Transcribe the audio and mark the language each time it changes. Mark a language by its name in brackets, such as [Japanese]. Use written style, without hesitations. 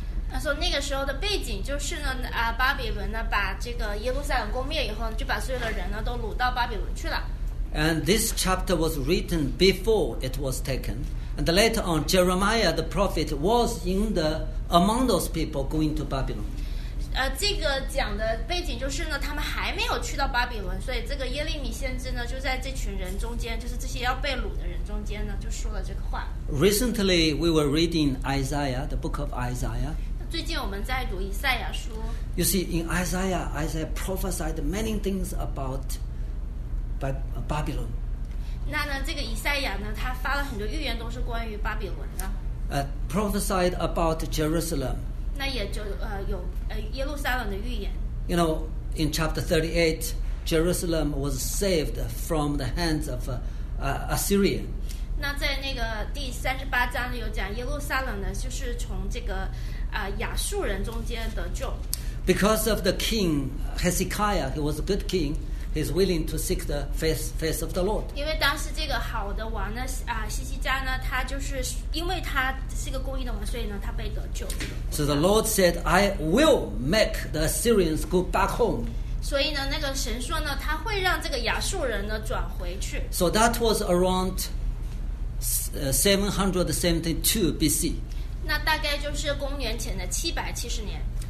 [Chinese] 他说那个时候的背景就是呢，巴比伦呢把这个耶路撒冷攻灭以后，就把所有的人呢都掳到巴比伦去了。 [English] And this chapter was written before it was taken, and later on Jeremiah the prophet was in the among those people going to Babylon. [Chinese] 这个讲的背景就是呢，他们还没有去到巴比伦，所以这个耶利米先知呢就在这群人中间，就是这些要被掳的人中间呢，就说了这个话。 [English] Recently, we were reading Isaiah, the book of Isaiah. [Chinese] 最近我们在读以赛亚书。 [English] You see, in Isaiah, Isaiah prophesied many things about Babylon. [Chinese] 那呢，这个以赛亚呢，他发了很多预言，都是关于巴比伦的。 [English] Prophesied about Jerusalem. [Chinese] 那也就有耶路撒冷的预言。 [English] You know, in chapter 38, Jerusalem was saved from the hands of Assyria. [Chinese] 那在那个第三十八章有讲耶路撒冷呢，就是从这个。亚述人中间得救 [English] ，because of the king Hezekiah, he was a good king. He's willing to seek the face of the Lord. [Chinese] 因为当时这个好的王呢，西西家呢，他就是因为他是个公义的王，所以呢，他被得救。 [English] So the Lord said, "I will make the Assyrians go back home." [Chinese] 所以呢，那个神说呢，他会让这个亚述人呢转回去。 [English] So that was around 772 BC. [Chinese] 那大概就是公元前的七百七十年。